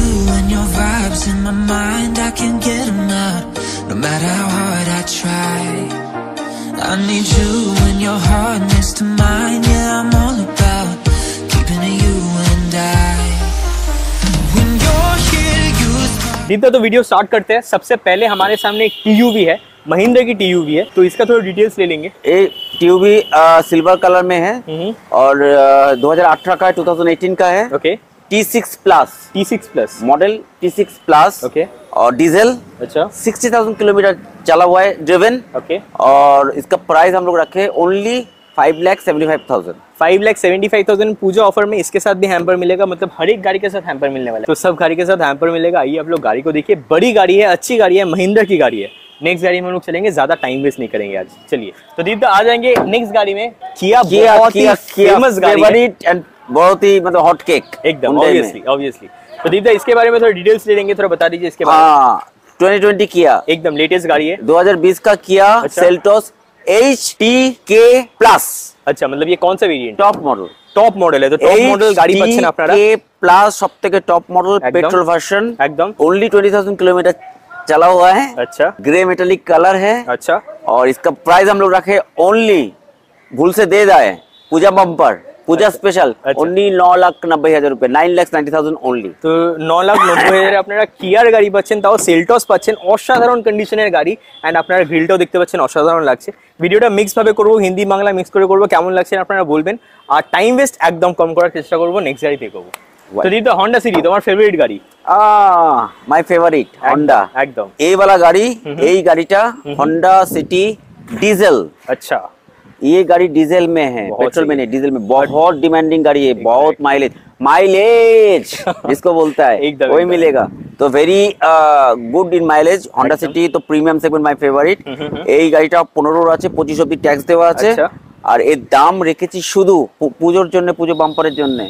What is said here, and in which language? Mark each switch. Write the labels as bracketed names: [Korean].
[English] In my mind, I can't get them out, no matter how hard I try. I need you when your heart next to mine. Yeah, I'm all about keeping you and I. When you're here, you start. [Hindi] तो video start करते हैं। सबसे पहले हमारे सामने एक TUV है, महिंद्रा की TUV है, तो इसका थोड़ा डिटेल्स ले लेंगे। ए TUV सिल्वर कलर में है और 2018 का है, 2018 का है। [English] okay, T6 Plus model T6 Plus, okay, [Hindi] और डीजल, अच्छा, 60,000 किलोमीटर चला हुआ है ड्रिवन, [English] okay, [Hindi] और इसका प्राइस हम लोग रखे ओनली 5,75,000। 5,75,000 पूजा ऑफर में, इसके साथ भी हैम्पर मिलेगा, मतलब हर एक गाड़ी के साथ हैम्पर मिलने वाला है, तो सब गाड़ी के साथ हैम्पर मिलेगा। आइए आप लोग गाड़ी को देखिए, बड़ी गाड़ी है, अच्छी गाड़ी है, महिंद्रा की गाड़ी है। नेक्स्ट गाड़ी में हम लोग चलेंगे, ज्यादा टाइम वेस्ट नहीं करेंगे आज, चलिए। तो दीप आ जाएंगे नेक्स्ट गाड़ी में, किया फेमस गाड़ी, बहुत ही मतलब हॉट केक एकदम, ऑब्वियसली। तो दीपदा इसके बारे में थोड़ा डिटेल्स ले लेंगे, थोड़ा बता दीजिए इसके बारे में। 2020 किया, एकदम लेटेस्ट गाड़ी है, 2020 का किया सेल्टोस HTK+। अच्छा, मतलब ये कौन सा वेरिएंट? टॉप मॉडल है, तो टॉप मॉडल गाड़ी पसंद आ रहा है। HTK+ सब तक के टॉप मॉडल, पेट्रोल वर्जन, एकदम ओनली 20,000 किलोमीटर चला हुआ है। अच्छा, ग्रे मेटालिक कलर है। अच्छा, और इसका प्राइस हम लोग रखे ओनली, भूल से दे जाए, पूजा बम्पर, पूजा स्पेशल, ओनली 9,90,000 रुपए, 9,90,000 ओनली। [Bangla] तो 9,90,000 আপনারা কিয়ার গাড়ি পাচ্ছেন, তাও সেলটস পাচ্ছেন, অসাধারণ কন্ডিশনের গাড়ি, এন্ড আপনারা গ্রিলটাও দেখতে পাচ্ছেন, অসাধারণ লাগছে। ভিডিওটা মিক্স ভাবে করব, হিন্দি বাংলা মিক্স করে করব, কেমন লাগছে আপনারা বলবেন, আর টাইম ওয়েস্ট একদম কম করার চেষ্টা করব, নেক্সট গাড়ি দেখব। তো দি দা হন্ডা সিটি, তোমার ফেভারিট গাড়ি? [English] my favourite Honda, [Bangla] একদম এই वाला গাড়ি, এই গাড়িটা হন্ডা সিটি ডিজেল। আচ্ছা, [Hindi] ये गाड़ी डीजल में है, पेट्रोल में नहीं, डीजल में, बहुत डिमांडिंग गाड़ी है, बहुत माइलेज इसको बोलता है, वही मिलेगा, तो [English] very good in mileage [Hindi] Honda city, तो प्रीमियम सेगमेंट माय फेवरेट। [Bangla] এই গাড়িটা 15 আছে, 25 অবধি ট্যাক্স দেওয়া আছে, আর এর দাম রেখেছি শুধু পূজোর জন্য, পূজো বাম্পারের জন্য।